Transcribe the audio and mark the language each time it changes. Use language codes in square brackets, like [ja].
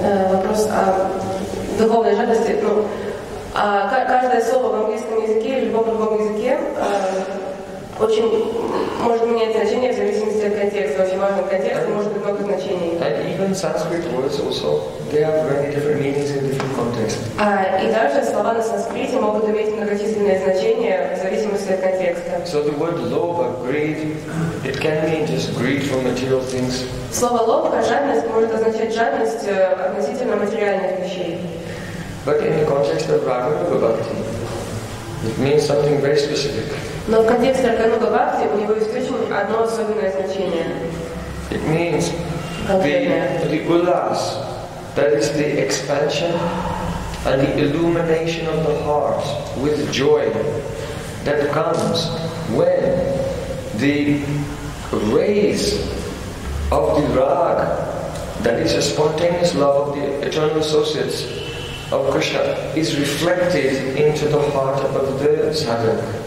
[ru] Вопрос о духовной жадости. Каждое слово в английском языке или в любом другом языке, Очень, может менять значение в зависимости от контекста. Очень важный контекст, and, может быть много значений. [en] And even Sanskrit words also, they have very different meanings in different contexts. [ru] И даже слова на санскрите могут иметь многочисленные значения в зависимости от контекста. [en] So the word lobha, greed, it can mean just greed for material things. [ru] Слово лобха, жадность, может означать жадность относительно материальных вещей. [en] But in the context of Raghunuga Bhakti, it means something very specific. [ru] Но в контексте Раганука Бхакти у него есть очень одно особенное значение. [en] It means the gulas, that is the expansion and the illumination of the heart with joy that comes when the rays of the rag, that is a spontaneous love of the eternal associates of Krishna, is reflected into the heart of the sadhak.